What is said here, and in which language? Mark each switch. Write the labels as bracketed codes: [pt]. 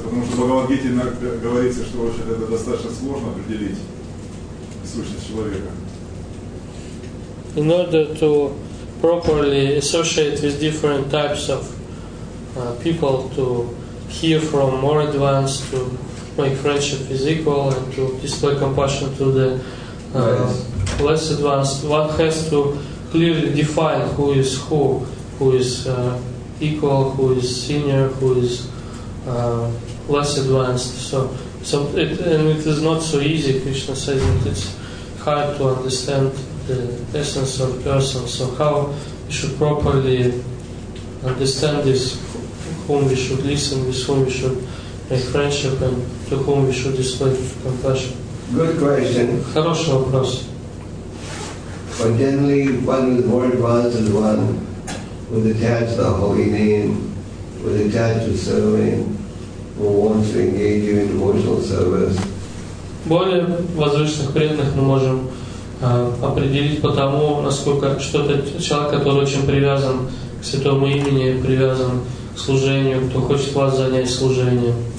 [ru] Потому что в Бхагавад-гите говорится, что вообще это достаточно сложно определить сущность человека. [en] In order to properly associate with different types of people, to hear from more advanced, to make friendship with equal, and to display compassion to the less advanced, one has to clearly define who is equal, who is senior, who is less advanced. So it is not so easy. Krishna says that it's hard to understand the essence of person, so how we should properly understand this, whom we should listen, with whom we should make friendship, and to whom we should display compassion. Good question. [ru] Хороший вопрос. [en] But generally, one with more advanced is one with attached to the holy name, with attached to serving, who wants to engage you in devotional service. [ru] Более возвышенных преданных мы можем определить по тому, насколько что-то человек, который очень привязан к святому имени, привязан к служению, кто хочет вас занять служением.